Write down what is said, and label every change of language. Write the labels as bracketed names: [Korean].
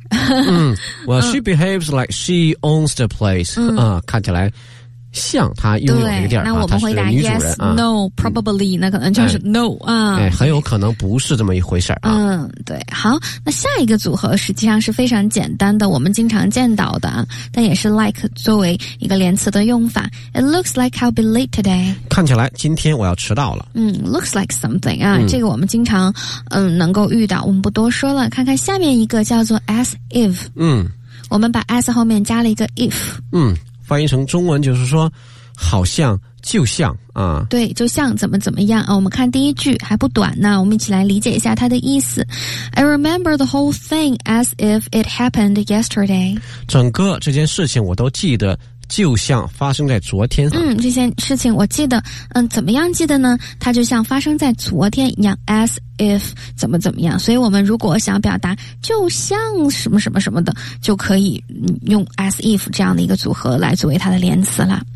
[English] 嗯， well she behaves like she owns the place。嗯， 嗯， [Chinese] 看起来像他拥有这个地儿，那我们回答 [English] yes no probably， [Chinese] 嗯，那可能就是 no 啊，哎，很有可能不是这么一回事啊。嗯，对，好，那下一个组合实际上是非常简单的，我们经常见到的啊，但也是 like 作为一个连词的用法。 [English] It looks like I'll be late today， [Chinese] 看起来今天我要迟到了。嗯， [English] looks like something [Chinese] 啊，嗯，这个我们经常能够遇到，我们不多说了。看看下面一个叫做 as if，嗯，我们把 as 后面加了一个 if，嗯。翻译成中文就是说好像就像啊，对，就像怎么怎么样啊。我们看第一句还不短呢，我们一起来理解一下它的意思。 [English] I remember the whole thing as if it happened yesterday， [Chinese] 整个这件事情我都记得就像发生在昨天。嗯，这件事情我记得，嗯，怎么样记得呢？它就像发生在昨天一样， as if 怎么怎么样。所以我们如果想表达就像什么什么什么的，就可以用 as if 这样的一个组合来作为它的连词了。